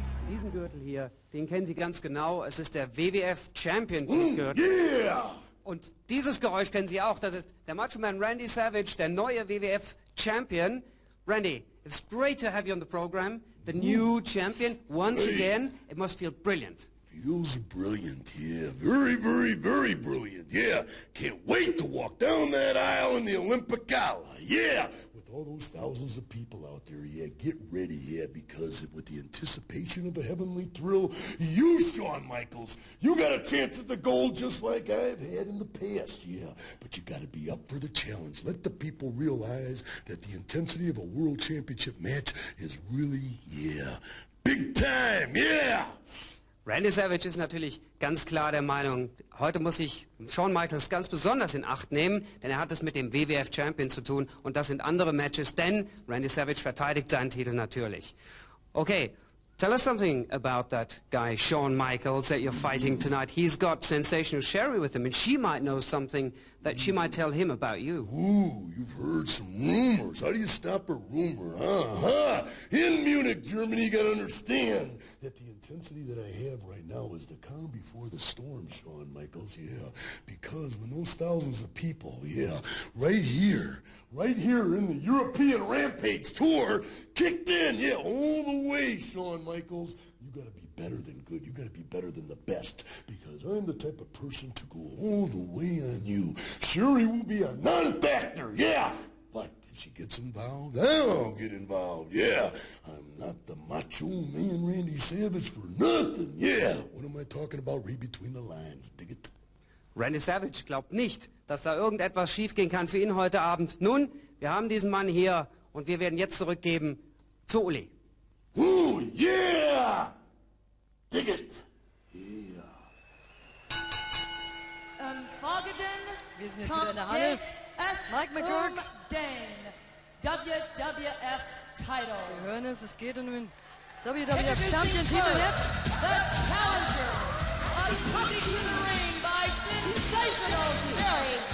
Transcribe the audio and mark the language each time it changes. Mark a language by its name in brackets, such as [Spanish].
[German] Diesen Gürtel hier, den kennen Sie ganz genau. Es ist der WWF Championship Gürtel. [English] Yeah! [German] Und dieses Geräusch kennen Sie auch. Das ist der Macho Man Randy Savage, der neue WWF Champion. [English] Randy, it's great to have you on the program. The new champion. Once again, it must feel brilliant. Feels brilliant, yeah. Very, very, very brilliant. Yeah. Can't wait to walk down that aisle in the Olympic Gala. Yeah. All those thousands of people out there, yeah, get ready, yeah, because with the anticipation of a heavenly thrill, you, Shawn Michaels, you got a chance at the gold just like I've had in the past, yeah, but you got to be up for the challenge. Let the people realize that the intensity of a world championship match is really, yeah, big time, yeah! [German] Randy Savage ist natürlich ganz klar der Meinung, heute muss ich Shawn Michaels ganz besonders in Acht nehmen, denn er hat es mit dem WWF Champion zu tun und das sind andere Matches, denn Randy Savage verteidigt seinen Titel natürlich. [English] Okay, tell us something about that guy, Shawn Michaels, that you're fighting tonight. He's got Sensational Sherry with him and she might know something that she might tell him about you. Ooh, you've heard some rumors. How do you stop a rumor? In Munich, Germany, you gotta understand that the intensity that I have right now is the calm before the storm, Shawn Michaels, yeah. Because when those thousands of people, yeah, right here in the European Rampage Tour, kicked in, yeah, all the way, Shawn Michaels, you gotta be better than good. You gotta be better than the best. Because I'm the type of person to go all the way on you. Sherry will be a non-factor, yeah. But if she gets involved, I'll get involved, yeah. I'm not the macho man Randy Savage for nothing, yeah. What am I talking about right between the lines, dig it? [German] Randy Savage glaubt nicht, dass da irgendetwas schiefgehen kann für ihn heute Abend. Nun, wir haben diesen Mann hier und wir werden jetzt zurückgeben zu Uli. [English] Ooh, yeah! Dig it! Yeah. [German] Vorgeden, wir sind jetzt wieder in der Halle. Es Mike McGurk. Den WWF Title. Wir hören es, es geht um den WWF Champion Titel jetzt. [English] The Challenger, a coming to the ring by Sensational Perry.